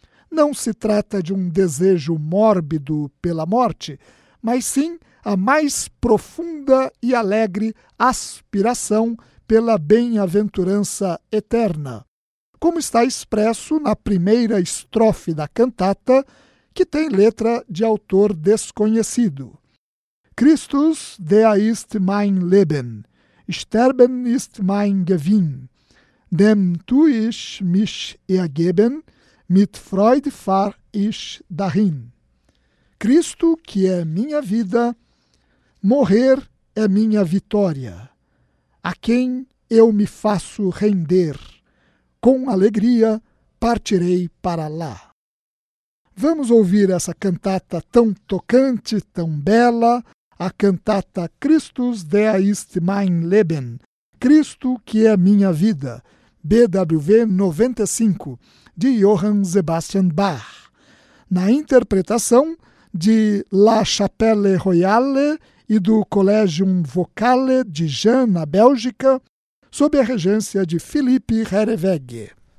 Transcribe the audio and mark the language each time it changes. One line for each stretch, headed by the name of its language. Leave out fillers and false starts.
Portuguese: Não se trata de um desejo mórbido pela morte, mas sim a mais profunda e alegre aspiração pela bem-aventurança eterna, como está expresso na primeira estrofe da cantata, que tem letra de autor desconhecido.
German: Christus, der ist mein Leben, sterben ist mein Gewinn, dem tu ich mich ergeben, mit Freude fahr ich dahin.
Portuguese: Cristo, que é minha vida, morrer é minha vitória, a quem eu me faço render, com alegria partirei para lá. Vamos ouvir essa cantata tão tocante, tão bela, a cantata Christus, der ist mein Leben, Cristo que é minha vida, BWV 95, de Johann Sebastian Bach, na interpretação de La Chapelle Royale e do Collegium Vocale de Jean, na Bélgica, sob a regência de Philippe Herevegue.